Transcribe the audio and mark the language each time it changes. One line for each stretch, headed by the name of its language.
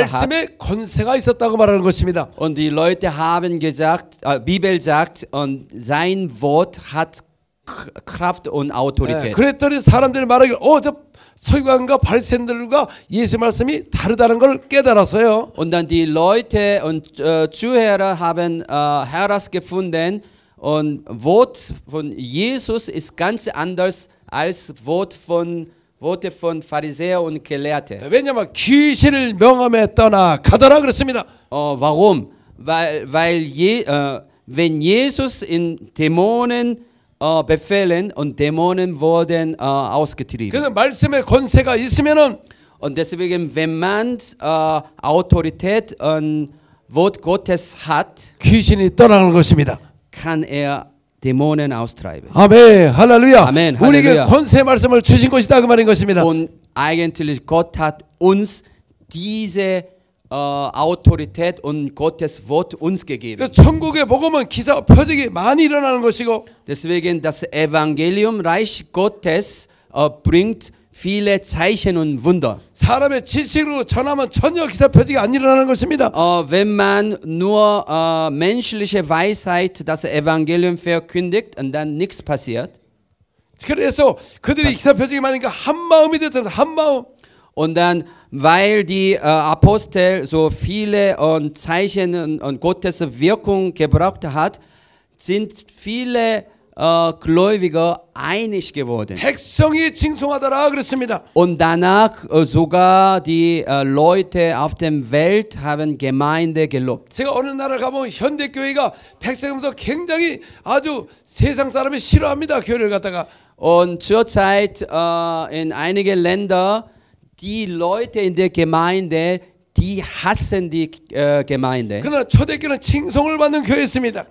Korean: 말씀에 권세가 있었다고 말하는 것입니다.
German: Und die Leute haben gesagt, Bibel sagt, und sein Wort hat Kraft und Autorität.
Korean: 그랬더니 사람들이 말하길, 어, 저 서기관과 바리새인들과 예수 말씀이 다르다는 걸 깨달았어요.
German: Und dann die Leute und Zuhörer haben herausgefunden, und Wort von Jesus ist ganz anders als Worte von Pharisäer und Gelehrte.
Korean: 왜냐면 귀신을 명함에 떠나 가더라 그랬습니다.
German: Warum? Weil wenn Jesus in Dämonen befehlen und Dämonen wurden ausgetrieben.
Korean: 그래서 말씀의 권세가 있으면은
German: und deswegen wenn man Autorität und Wort Gottes hat,
Korean: 귀신이 떠나는 것입니다.
German: Kann er Dämonen austreiben.
Korean: 아멘. 할렐루야. 아멘. 할렐루야. 우리에게 권세 말씀을 주신 것이다 그 말인 것입니다.
German: Und eigentlich Gott hat uns diese Autorität und Gottes Wort uns gegeben.
Korean: 천국의 복음은 기사 표적이 많이 일어나는 것이고.
German: Deswegen das Evangelium Reich Gottes bringt viele Zeichen und Wunder.
Korean: 사람의 지식으로 전하면 전혀 기사 표적이 안 일어나는 것입니다.
German: Wenn man nur menschliche Weisheit das Evangelium verkündigt und dann nichts passiert.
Korean: 그래서 그들이 기사 표적이 많으니까 한 마음이 됐잖아요. 한 마음.
German: Und dann, weil die Apostel so viele Zeichen und Gottes Wirkung gebraucht hat, sind viele Gläubige einig geworden.
Korean: 백성이 칭송하더라 그랬습니다.
German: Und danach sogar die Leute auf dem Welt haben Gemeinde gelobt.
Korean: 제가 어느 나라를 가면 현대 교회가 백성부터 굉장히 아주 세상 사람이 싫어합니다. 교회를 갔다가
German: Und zur Zeit in einige Länder die Leute in der Gemeinde Die hassen die Gemeinde.
Korean: 그러나 초대교회는 칭송을 받는 교회였습니다.